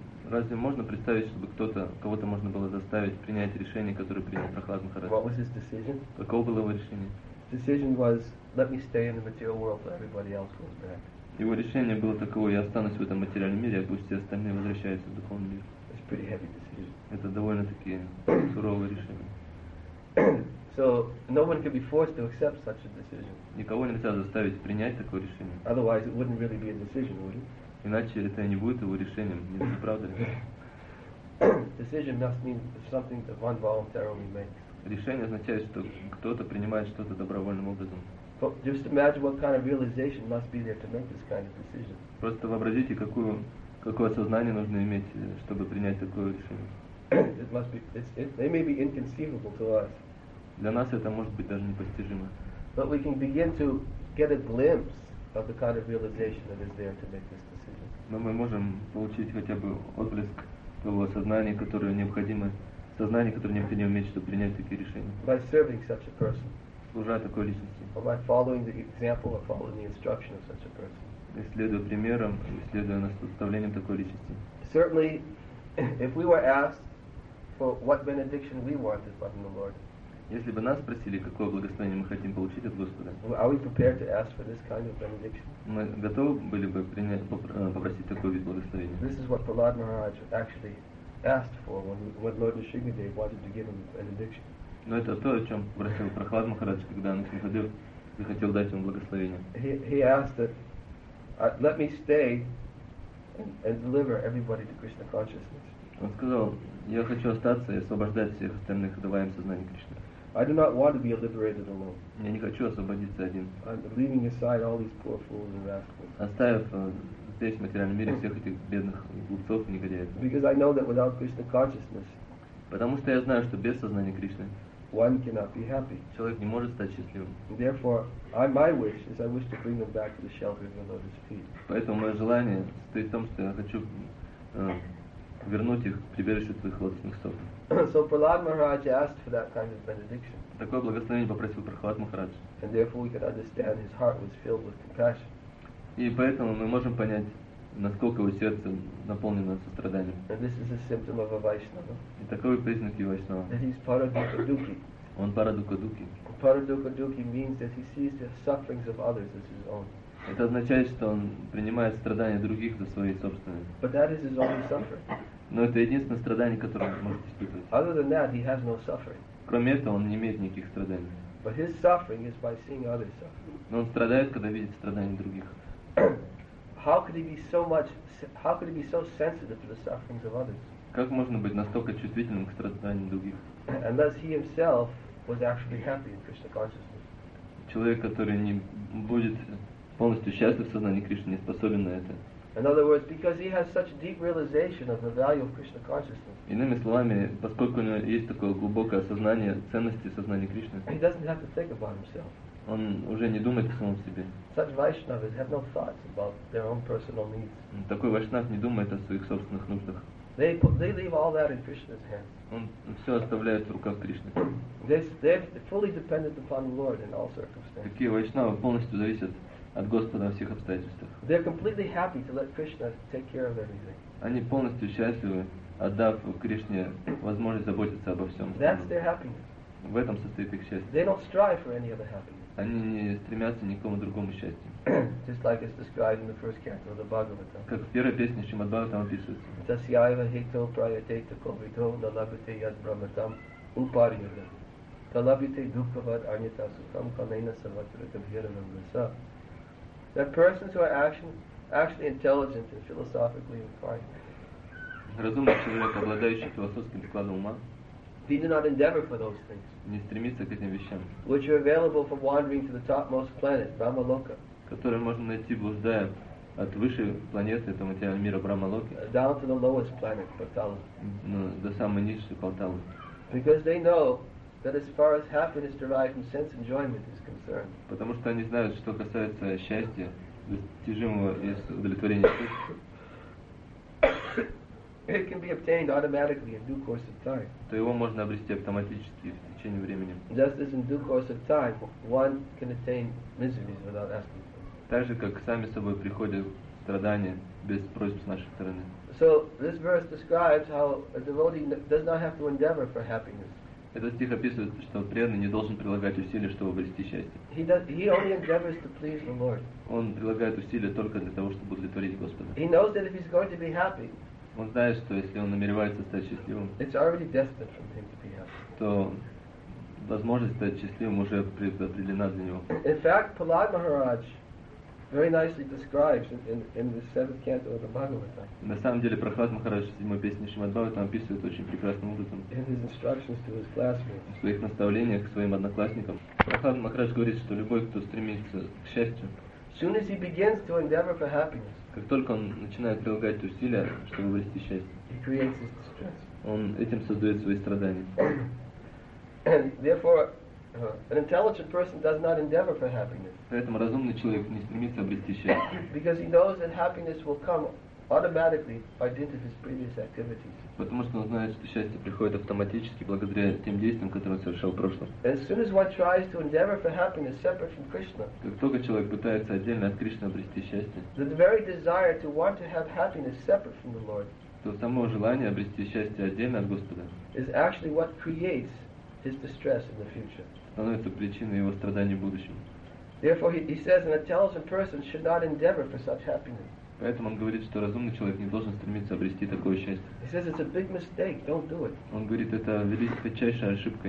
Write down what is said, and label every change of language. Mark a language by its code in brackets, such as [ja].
[ru] Разве можно представить, чтобы кого-то можно было заставить принять решение, которое принял Прохлад Махарадж? [en] What was his decision? [ru] Каково было его решение? [en] The decision was, let me stay in the material world till everybody else goes back. [ru] Его решение было таково: я останусь в этом материальном мире, а пусть все остальные возвращаются в духовный мир. [en] It's a pretty heavy decision. [ru] Это довольно-таки суровое решение. [en] So no one could be forced to accept such a decision. [ru] Никого нельзя заставить принять такое решение. [en] Otherwise, it wouldn't really be a decision, would it? [ru] Иначе это не будет его решением, не правда ли? [en] Decision must mean something that one voluntarily makes. [ru] Решение означает, что кто-то принимает что-то добровольным образом. [en] But just imagine what kind of realization must be there to make this kind of decision. [ru] Просто вообразите, какое сознание нужно иметь, чтобы принять такое решение. [en] It must be. It may be inconceivable to us. [ru] Для нас это может быть даже непостижимо. [en] But we can begin to get a glimpse of the kind of realization that is there to make this decision. [ru] Но мы можем получить хотя бы отблеск того сознания, которое необходимо. Сознание, которое необходимо иметь, чтобы принять такие решения. [en] By serving such a person. [ru] Служа такой личности. [en] Or by following the example or following the instruction of such a person. [ru] Следуя примерам, следуя наставлениям такой личности. [en] Certainly, if we were asked for what benediction we wanted from the Lord. [ru] Если бы нас спросили, какое благословение мы хотим получить от Господа. [en] Are we prepared to ask for this kind of benediction? [ru] Мы готовы были бы попросить такое вид благословения. [en] This is what Prahlad Maharaj actually asked for when Lord Nrisimhadev wanted to give him a benediction. [ru] Но это то, о чем просил Прохлад Махарадж, когда Нрисимхадев захотел дать ему благословение. [en] He asked that, let me stay and deliver everybody to Krishna consciousness. [ru] Он сказал, я хочу остаться и освобождать всех остальных, давая им сознание Кришны. [en] I do not want to be liberated alone. [ru] Я не хочу освободиться один. [en] I'm leaving aside all these poor fools and rascals. [ru] Оставив здесь, в материальном мире, всех этих бедных глупцов и негодяев. [en] Because I know that without Krishna consciousness. [ru] Потому что я знаю, что без сознания Кришны [en] one cannot be happy. [ru] Человек не может стать счастливым. [en] Therefore, my wish is I wish to bring them back to the shelter of the Lord's feet. [ru] Поэтому мое желание состоит в том, что я хочу вернуть их к прибежищу твоих лотосных стоп. [en] So Prahlad Maharaj asked for that kind of benediction. [ru] Такое благословение попросил Прохлад Махарадж. [en] And therefore we could understand his heart was filled with compassion. [ru] И поэтому мы можем понять, насколько его сердце наполнено состраданием. [en] And this is a symptom of a Vaishnava. [ru] И такой признак его Вайшнава. [en] That he's Парадукадуки. [ru] Он Парадукадуки. [en] Парадукадуки means that he sees the sufferings of others as his own. [ru] Это означает, что он принимает страдания других за свои собственные. [en] But that is his only suffering. [ru] Но это единственное страдание, которое он может испытывать. [en] Other than that, he has no suffering. [ru] Кроме этого, он не имеет никаких страданий. [en] But his suffering is by seeing others suffer. [ru] Но он страдает, когда видит страдания других. [en] How could he be so sensitive to the sufferings of others? [ru] Как можно быть настолько чувствительным к страданиям других? [en] Unless he himself was actually happy in Krishna consciousness. [ru] Человек, который не будет полностью счастлив в сознании Кришны, не способен на это. [en] In other words, because he has such deep realization of the value of Krishna consciousness. [ru] Иными словами, поскольку у него есть такое глубокое осознание ценности сознания Кришны. [en] He doesn't have to think about himself. [ru] Он уже не думает о самом себе. [en] Such Vaishnavas have no thoughts about their own personal needs. [ru] Такой Вайшнав не думает о своих собственных нуждах. [en] They leave all that in Krishna's hands. [ru] Он все оставляет в руках Кришны. [en] They're fully dependent upon the Lord in all circumstances. [ru] Такие Вайшнавы полностью зависят от Господа во всех обстоятельствах. [en] They're completely happy to let Krishna take care of everything. [ru] Они полностью счастливы, отдав Кришне возможность заботиться обо всем. [en] That's their happiness. [ru] В этом состоит их счастье. [en] They don't strive for any other happiness. [ru] Они не стремятся ни к какому другому счастью. [en] Just like it's described in the first canto of the Bhagavatam. [ru] Как в первой песне Шримад Бхагаватам описывается. [sa] Тасьяйва хито прайатейта ковито налабите яд брахматам упарьяда. Талабите дукхават анита сухам канейна саватрита бхирамам раса. [en] That persons who are actually intelligent and philosophically inclined. [ru] Разумный человек, обладающий философским складом ума. [en] He did not endeavor for those things. [ru] Не стремится к этим вещам. [en] Which are available for wandering to the topmost planet, Brahmaloka. [ru] Которые можно найти, блуждая от высшей планеты этого материального мира Брахмалоки. [en] Down to the lowest planet, Патала. [ru] Ну, до самой низшей Паталы. [en] Because they know that as far as happiness derived from sense enjoyment is concerned. [ru] Потому что они знают, что касается счастья, достижимого из удовлетворения чувств. [en] It can be obtained automatically in due course of time. [ru] То его можно обрести автоматически в течение времени. [en] Just as in due course of time, one can attain miseries without asking. [ru] Так же, как сами собой приходят страдания без просьб с нашей стороны. [en] So this verse describes how a devotee does not have to endeavor for happiness. [ru] Этот стих описывает, что преданный не должен прилагать усилия, чтобы обрести счастье. [en] He only endeavors to please the Lord. [ru] Он прилагает усилия только для того, чтобы удовлетворить Господа. [en] He knows that if he's going to be happy. [ru] Он знает, что если он намеревается стать счастливым, [en] it's already destined for him to be happy. [ru] То возможность стать счастливым уже предопределена для него. [en] In fact, Prahlad Maharaj very nicely describes in the seventh canto of the Bhagavata. [ru] На самом деле, Прохлад Махарадж в седьмой песне Шримад Бхагаватам описывает очень прекрасным образом. [en] In his instructions to his classmates. [ru] В своих наставлениях к своим одноклассникам. Прохлад Махарадж говорит, что любой, кто стремится к счастью, [en] soon as he begins to endeavor for happiness, [ru] как только он начинает прилагать усилия, чтобы обрести счастье, [en] he creates his distress. [ru] Он этим создает свои страдания. [en] Therefore, an intelligent person does not endeavor for happiness. [ru] Поэтому разумный человек не стремится обрести счастье. [en] Because he knows that happiness will come automatically by dint of his previous activities. [ru] Потому что он знает, что счастье приходит автоматически благодаря тем действиям, которые он совершал в прошлом. [en] As soon as one tries to endeavor for happiness separate from Krishna, [ru] как только человек пытается отдельно от Кришны обрести счастье, [en] the very desire to want to have happiness separate from the Lord, [ru] то само желание обрести счастье отдельно от Господа, [en] is actually what creates his distress in the future. [ru] Становится причиной его страданий в будущем. [en] Therefore, he says an intelligent person should not endeavor for such happiness. [ru] Поэтому он говорит, что разумный человек не должен стремиться обрести такое счастье. [en] He says it's a big mistake. Don't do it. [ru] Он говорит, это величайшая ошибка.